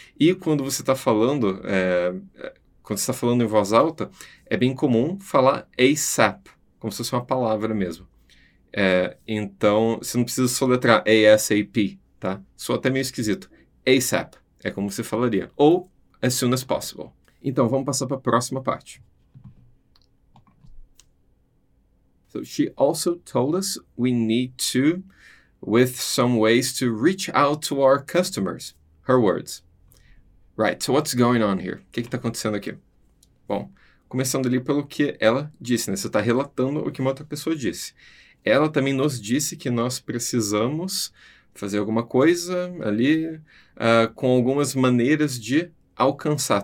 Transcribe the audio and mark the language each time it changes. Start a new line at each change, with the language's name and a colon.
Portuguese: E quando você está falando, quando você está falando em voz alta, é bem comum falar ASAP, como se fosse uma palavra mesmo. Então, você não precisa soletrar ASAP, tá? Soa até meio esquisito. ASAP é como você falaria, ou
English: as soon as possible.
Portuguese: Então, vamos passar para a próxima parte.
English: So, she also told us we need to, with some ways to reach out to our customers. Her words. Right, so what's going on here?
Portuguese: O que está acontecendo aqui? Bom, começando ali pelo que ela disse, né? Você está relatando o que uma outra pessoa disse. Ela também nos disse que nós precisamos fazer alguma coisa ali, com algumas maneiras de alcançar.